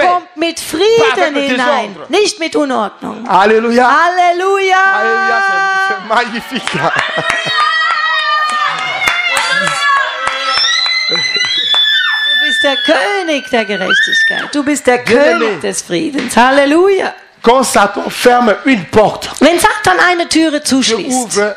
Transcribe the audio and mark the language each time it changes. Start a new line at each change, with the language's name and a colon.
German: er kommt mit Frieden hinein, nicht mit Unordnung. Halleluja. Halleluja.
French: Magnifique.
German: Du bist der König der Gerechtigkeit. Du bist der König des Friedens. Halleluja.
French: Quand Satan ferme une porte,
German: wenn Satan eine Türe zuschließt,